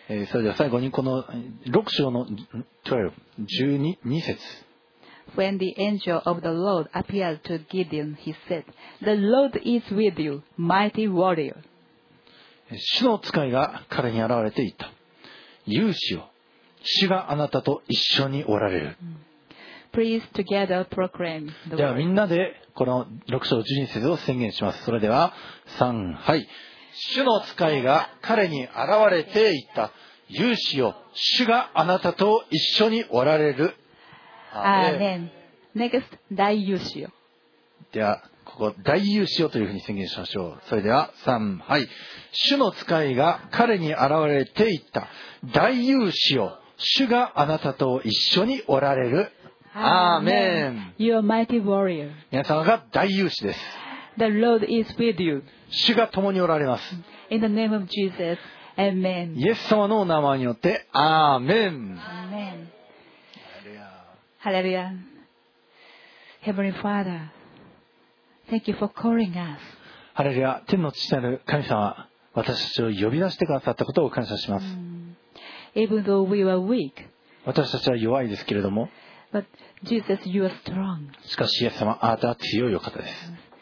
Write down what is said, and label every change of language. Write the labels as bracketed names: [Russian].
[Japanese] それでは最後にこの6章の12節。 [English] When the angel of the Lord appeared to Gideon, he said, The Lord is with you, mighty warrior. [Japanese] 主の使いが彼に現れていた。勇士よ、主があなたと一緒におられる。 [English] Please together proclaim the word. [Japanese] ではみんなでこの6章12節を宣言します。それでは3、はい、主の使いが彼に現れていった。勇士よ、主があなたと一緒におられる。アーメン。 [English] Next, [Japanese] 大勇士よ。ではここ大勇士よというふうに宣言しましょう。それでは3、はい、主の使いが彼に現れていった。大勇士よ、主があなたと一緒におられる。 [English] アーメン。You are mighty warrior. [Japanese] 皆様が大勇士です。 [English] The Lord is with you. [Japanese] 主が共におられます。 [English] In the name of Jesus. Amen. [Japanese] イエス様のお名前によってアーメン。 Amen. ハレルヤ。 [English] Heavenly Father, thank you for calling us. [Japanese] ハレルヤ。天の父なる神様、私たちを呼び出してくださったことを感謝します。 [English] Even though we are weak, [Japanese] 私たちは弱いですけれども、 [English] But Jesus, you are strong. [Japanese] しかしイエス様、あなたは強いお方です。